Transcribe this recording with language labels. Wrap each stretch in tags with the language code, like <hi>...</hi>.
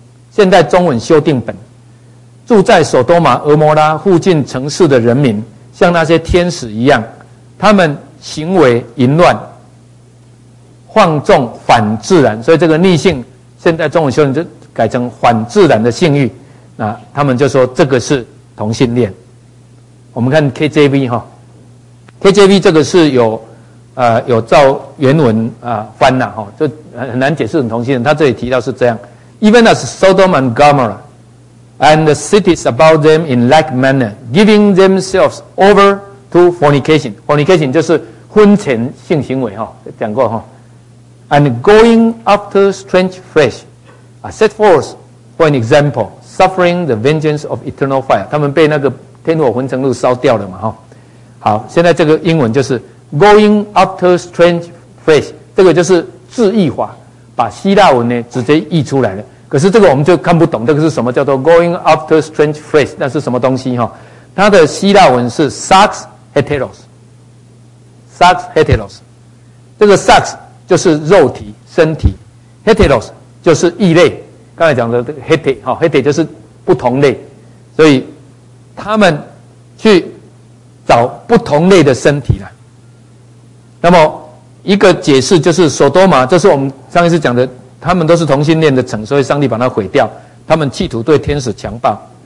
<zh>现在中文修订本，住在索多玛俄摩拉附近城市的人民像那些天使一样，他们行为淫乱放纵反自然，所以这个逆性现在中文修订就改成反自然的性欲，那他们就说这个是同性恋。我们看 KJV 哈 ，KJV 这个是有照原文翻了哈，就很难解释成同性恋。</zh> <en>他这里提到是这样 ，Even as Sodom and Gomorrah and the cities about them in like manner, giving themselves over to fornication.</en> <zh>Fornication 就是婚前性行为哈，讲过哈。</zh> <en>And going after strange flesh, set forth for an example, suffering the vengeance of eternal fire.</en> <zh>他们被那个天火焚城炉烧掉了嘛？哈，好，现在这个英文就是</zh> <en>going after strange flesh，</en> <zh>这个就是字义化，把希腊文呢直接译出来了。可是这个我们就看不懂，这个是什么叫做</zh> <en>going after strange flesh？</en> <zh>那是什么东西？哈，它的希腊文是 sex heteros， sex heteros， 这个 sex。就是肉体身体 heteros 就是异类，刚才讲的 hete 就是不同类，所以他们去找不同类的身体了。那么一个解释就是索多玛，这是我们上一次讲的，他们都是同性恋的城，所以上帝把它毁掉，他们企图对天使强暴。</zh>